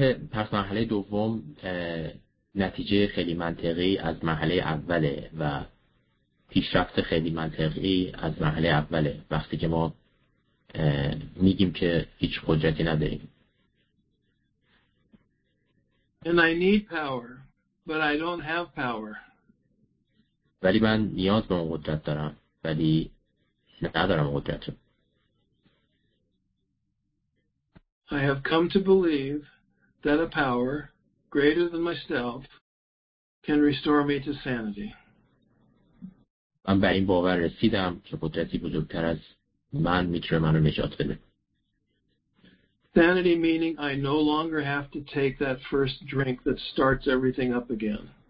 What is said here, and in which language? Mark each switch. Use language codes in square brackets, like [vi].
[fa] پس مرحله دوم نتیجه خیلی منطقی از مرحله اوله و پیشرفت خیلی منطقی از مرحله اوله وقتی که ما میگیم که هیچ قدرتی نداریم. [en] And I need power, but I don't have power. [fa] ولی من نیاز به قدرت دارم ولی ندارم قدرت. [en] I have come to believe that a power greater than myself can restore me to sanity. [fa] من به این باور رسیدم که قدرتی بزرگتر از من میتونه منو نجات بده. [en] Sanity meaning I no longer have to take that first drink that starts everything up again.